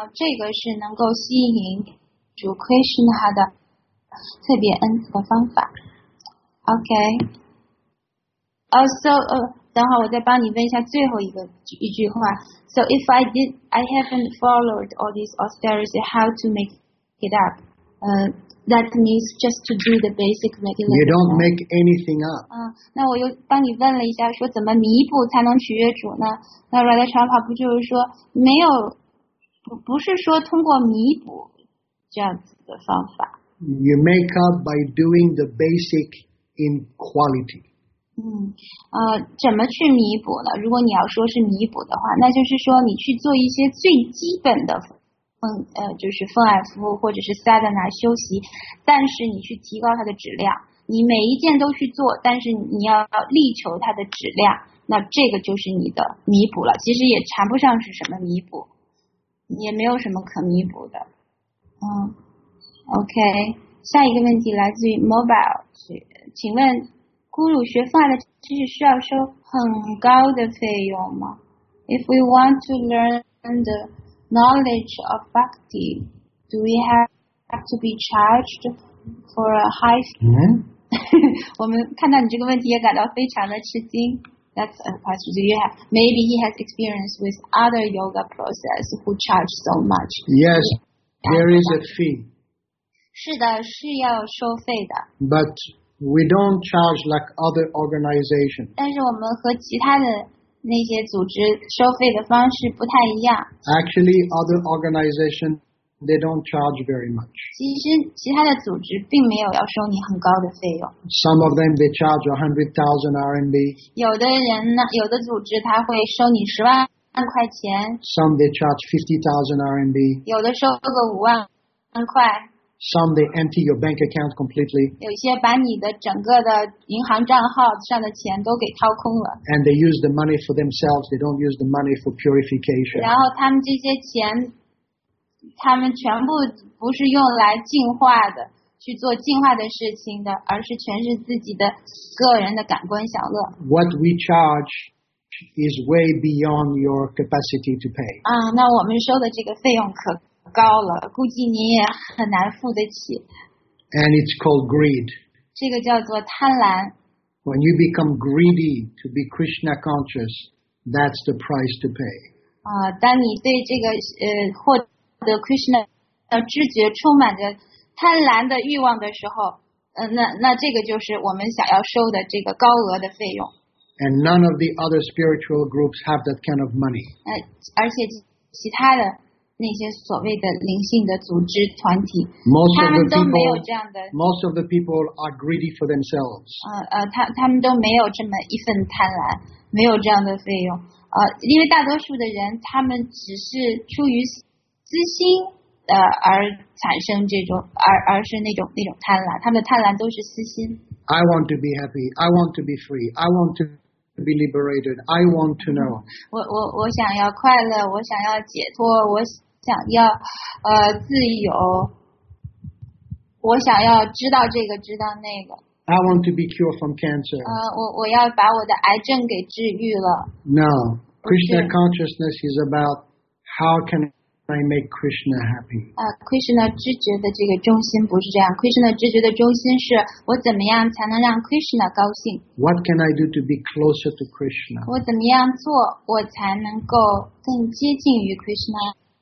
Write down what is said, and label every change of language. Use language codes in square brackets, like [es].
[zh] 这个是能够吸引主 Krishna 的特别恩赐的方法。OK. Also, 等会我再帮你问一下最后一句话。 [en] So if I haven't followed all these austerity, how to make it up? That means just to do the basic regular. You don't make anything up. [zh] 那我又帮你问了一下，说怎么弥补才能取悦主呢？那 Radha Chandra 不就是说没有，不是说通过弥补这样子的方法。 [en] You make up by doing the basic in quality. [zh] 怎么去弥补呢？如果你要说是弥补的话，那就是说你去做一些最基本的。就是奉爱服务或者是 sadhana 休息，但是你去提高它的质量，你每一件都去做，但是你要力求它的质量，那这个就是你的弥补了。其实也谈不上是什么弥补，也没有什么可弥补的。 OK， 下一个问题来自于 mobile， 请问 Guru 学奉爱的知识需要收很高的费用吗？ [en] If we want to learn theknowledge of bhakti, do we have to be charged for a high fee? [zh] 我们看到你这个问题也感到非常的吃惊。 [en] That's a question. Do you have? Maybe he has experience with other yoga process who charge so much. Yes, there is a fee. [zh] 是的，是要收费的。 [en] But we don't charge like other organizations. [zh] 但是我们和其他的那些组织收费的方式不太一样。 [en] Actually, other organizations they don't charge very much. [zh] 其实其他的组织并没有要收你很高的费用。 [en] Some of them they charge 100,000 RMB. [zh] 有的人呢，有的组织他会收你10,000块钱。 [en] Some they charge 50,000 RMB. [zh] 有的收个50,000块。 [en] Some they empty your bank account completely. [zh] 有些把你的整个的银行账号上的钱都给掏空了。 [en] And they use the money for themselves. They don't use the money for purification. [zh] 然后他们这些钱，他们全部不是用来净化的，去做净化的事情的，而是全是自己的个人的感官享乐。 [en] What we charge is way beyond your capacity to pay. [zh] 那我们收的这个费用可。高了，估计你也很难付得起。 [en] And it's called greed. [zh] 这个叫做贪婪。 [en] When you become greedy to be Krishna conscious, that's the price to pay. [zh] 当你对这个获得 Krishna 的知觉充满着贪婪的欲望的时候，那这个就是我们想要收的这个高额的费用。 [en] And none of the other spiritual groups have that kind of money. [zh] 而且其他的。那些所谓的灵性的组织团体， [en] most [zh] 他们都没有这样的。 [en] Most of the people are greedy for themselves. [zh] 他们都没有这么一份贪婪，没有这样的费用。因为大多数的人，他们只是出于私心而产生这种而是那种贪婪，他们的贪婪都是私心。 [en] I want to be happy. I want to be free. I want to. Be liberated. I want to know. [zh] 我想要快乐，我想要解脱，我想要自由，我想要知道这个，知道那个。 [en] I want to be cured from cancer. [zh] 我要把我的癌症给治愈了。 [en] No, Krishna consciousness is about how can I make Krishna happy. [zh] Krishna 知觉的这个中心不是这样。Krishna 知觉的中心是我怎么样才能让 Krishna 高兴。 [en] What can I do to be closer to Krishna? [zh] 我怎么样做我才能够更接近于 Krishna?